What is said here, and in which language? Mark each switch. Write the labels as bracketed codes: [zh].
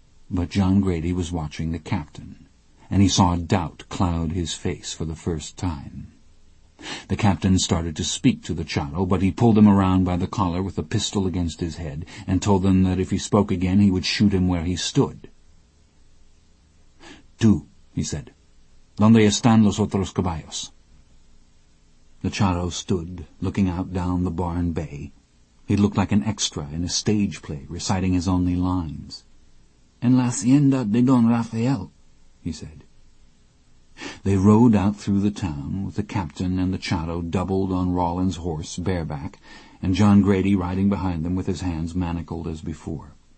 [en] But John Grady was watching the captain, and he saw doubt cloud his face for the first time. The captain started to speak to the charro, but he pulled him around by the collar with a pistol against his head and told him that if he spoke again, he would shoot him where he stood. [es] "Tú," [en] he said, [es] "¿dónde están los otros caballos?" [en] The charro stood, looking out down the barn bay. He looked like an extra in a stage play, reciting his only lines. [es] "En la hacienda de Don Rafael," [en] he said. They rode out through the town, with the captain and the charro doubled on Rawlins' horse, bareback, and John Grady riding behind them with his hands manacled as before.